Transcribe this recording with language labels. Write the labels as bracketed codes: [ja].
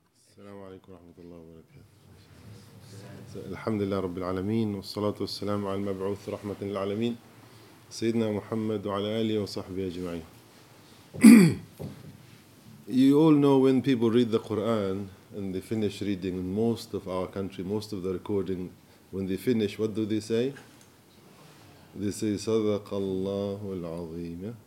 [ar] السلام عليكم ورحمة الله وبركاته. الحمد لله رب العالمين والصلاة والسلام على المبعوث رحمة للعالمين سيدنا محمد وعلى آله وصحبه أجمعين. [en] You all know when people read the Quran and they finish reading in most of our country, most of the recording, when they finish, what do they say? They say [ar] صدق الله العظيم.